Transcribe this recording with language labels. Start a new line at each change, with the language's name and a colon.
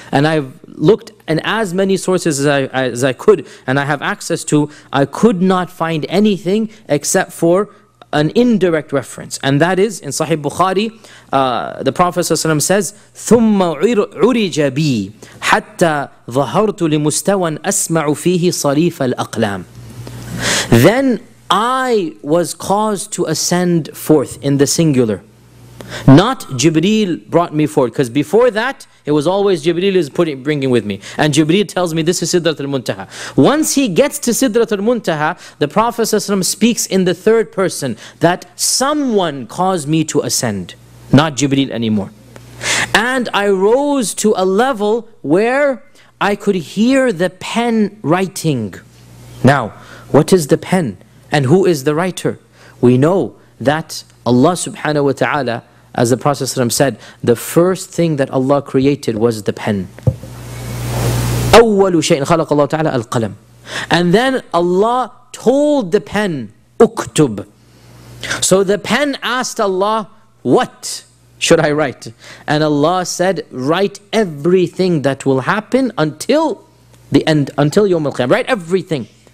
English: And I've looked in as many sources as I could, and I have access to, I could not find anything except for an indirect reference. And that is, in Sahih Bukhari, the Prophet ﷺ says,
Arabic: ثُمَّ عُرِجَ بِي حَتَّى ظَهَرْتُ لِمُسْتَوًا أَسْمَعُ فِيهِ صَرِيفَ الْأَقْلَامِ.
English: Then I was caused to ascend forth in the singular. Not Jibreel brought me forth, because before that, it was always Jibreel is bringing with me. And Jibreel tells me this is Sidratul Muntaha. Once he gets to Sidratul Muntaha, the Prophet ﷺ speaks in the third person that someone caused me to ascend, not Jibreel anymore. And I rose to a level where I could hear the pen writing. Now, what is the pen and who is the writer? We know that Allah subhanahu wa ta'ala, as the Prophet ﷺ said, the first thing that Allah created was the pen.
Arabic: أول شيء خلق الله تعالى القلم.
English: And then Allah told the pen, اكتب. So the pen asked Allah, what should I write? And Allah said, write everything that will happen until the end, until يوم القيامة. Write everything.